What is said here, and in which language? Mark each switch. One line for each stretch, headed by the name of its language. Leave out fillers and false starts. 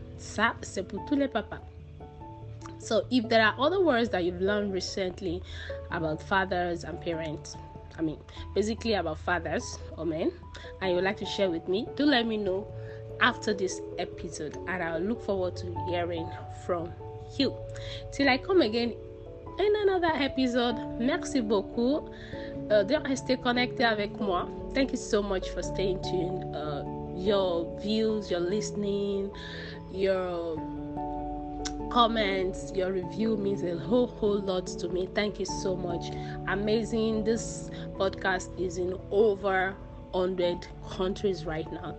French: Ça, c'est pour tous les papas.
English: So if there are other words that you've learned recently about fathers and parents, I mean basically about fathers or men, and you'd like to share with me, do let me know after this episode, and I'll look forward to hearing from you. Till I come again in another episode,
French: merci beaucoup de rester connecté avec moi.
English: Thank you so much for staying tuned. Your views, your listening, your comments, your review means a whole lot to me. Thank you so much. Amazing. This podcast is in over 100 countries right now.